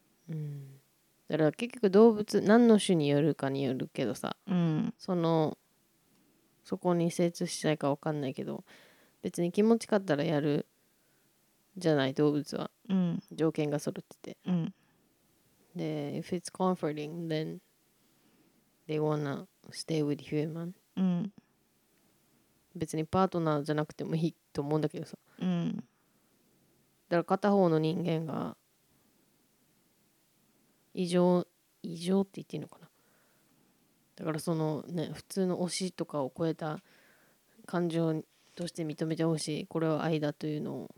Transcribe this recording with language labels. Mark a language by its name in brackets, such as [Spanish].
[Japanese] うん、だから結局動物何の種によるかによるけどさ、うん、そのそこに精通したいか分かんないけど、別に気持ちかったらやるじゃない、動物は、うん、条件が揃ってて、うん、 [English] で If it's comforting then they wanna stay with human、うん、 [Japanese] 別にパートナーじゃなくてもいいと思うんだけどさ、うん、だから片方の人間が異常って言っていいのかな、だからそのね、普通の推しとかを超えた感情として認めてほしい、これは愛だというのを、